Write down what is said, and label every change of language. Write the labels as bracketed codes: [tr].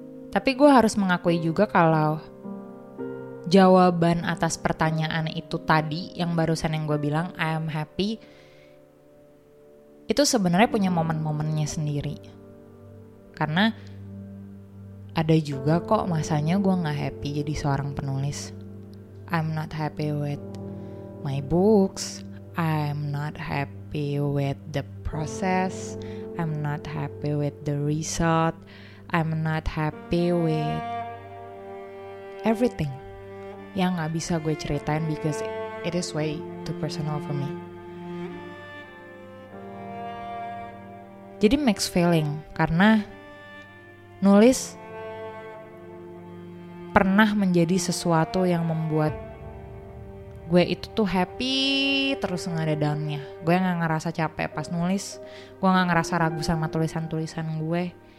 [id] Tapi gue harus mengakui juga kalau jawaban atas pertanyaan itu tadi, yang barusan yang gue bilang, [en] I am happy, [id] itu sebenarnya punya momen-momennya sendiri. Karena ada juga kok masanya gue gak happy jadi seorang penulis. [en] I'm not happy with my books. I'm not happy with the process. I'm not happy with the result. I'm not happy with everything [id] yang nggak bisa gue ceritain [en] because it is way too personal for me. [id] Jadi mixed feeling karena nulis pernah menjadi sesuatu yang membuat gue itu tuh happy terus gak ada down-nya. Gue gak ngerasa capek pas nulis. Gue gak ngerasa ragu sama tulisan-tulisan gue.